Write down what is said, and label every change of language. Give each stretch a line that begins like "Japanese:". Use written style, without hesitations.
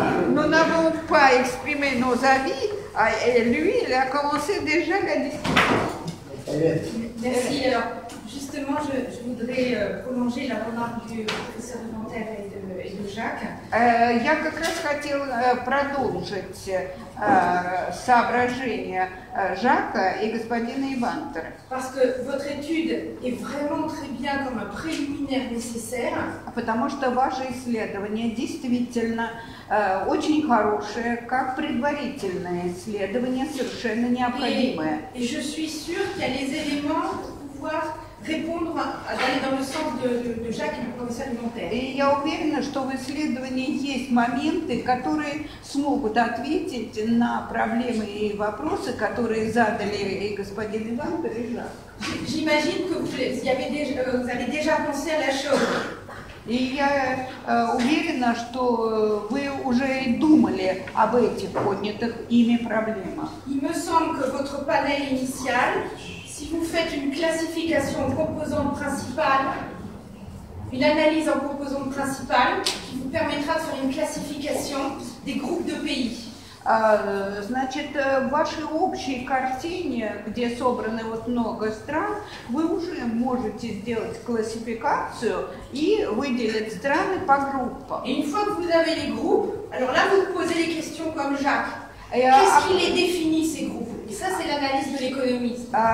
French: Nous n'avons pas exprimé nos avis et lui, il a commencé déjà la discussion. Merci. Alors, justement, je voudrais prolonger la remarque du professeur de Nanterre et de Jacques.
Russian: Я как раз хотел продолжить соображения Жака и господина Ивантера.
French: Parce que votre étude est vraiment très bien comme un préliminaire nécessaire.
Russian: Потому что ваше исследование действительно очень хорошее, как предварительное исследование, совершенно необходимое.
French: Et je suis sûre qu'il y a les éléments pour pouvoir répondre, d'aller dans le sens de Jacques et du professeur Montaigne.
Russian: И я уверена, что в исследовании есть моменты, которые смогут ответить на проблемы и вопросы, которые задали и господин Иван Бережа.
French: J'imagine que vous avez déjà pensé à la chose.
Russian: И я уверена, что вы уже и думали об этих поднятых ими проблемах.
French: Il me semble que votre panel initial, si vous faites une classification en composantes principales, une analyse en composantes principales, qui vous permettra de faire une classification des groupes de pays.
Russian: Значит, в вашей общей картине, где собраны вот много стран, вы уже можете сделать классификацию и выделить страны по группам.
French: Et une fois que vous avez les groupes, alors là vous posez les questions comme Jacques. Qu'est-ce qui les définit ces groupes? Ça, c'est l'analyse de l'économiste.